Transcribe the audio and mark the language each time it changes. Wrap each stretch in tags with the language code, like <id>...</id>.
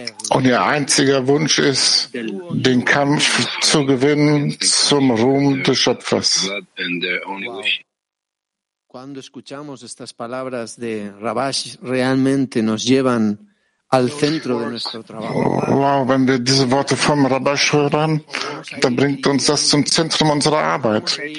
<de>Und ihr einziger Wunsch ist, den Kampf zu gewinnen zum Ruhm des Schöpfers.</de> <es>Cuando escuchamos estas palabras de Rabash, realmente nos llevan al centro de nuestro trabajo.</es> <de>Wow, wenn wir diese Worte vom Rabbi hören, dann bringt uns das zum Zentrum unserer Arbeit.</de>